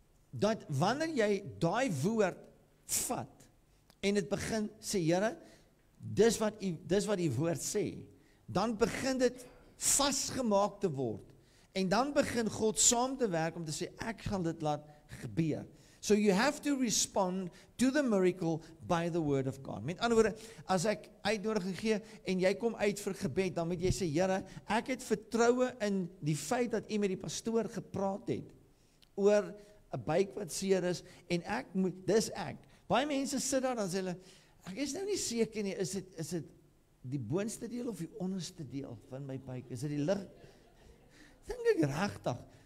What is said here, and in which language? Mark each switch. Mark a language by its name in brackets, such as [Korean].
[Afrikaans] dat wanneer jy daai woord vat, en het begin sê, Here, dis wat die woord sê, dan begin dit vastgemaak te word, en dan begin God saam te werk om te sê, ek gaan dit laat gebeur. [English] So you have to respond to the miracle by the word of God. [Afrikaans] Met ander woorde, as ek uitnodiging gee, en jy kom uit vir gebed, dan moet jy sê, Here, ek het vertroue in die feit dat jy met die pastoor gepraat het, oor 'n buik wat seer is, en ek moet, dis ek. Baie mense sit daar, dan sê hulle, Ek is nou nie seker nie, is dit die boonste deel of die onderste deel van my buik? Is dit die lig? Dink ek regtig.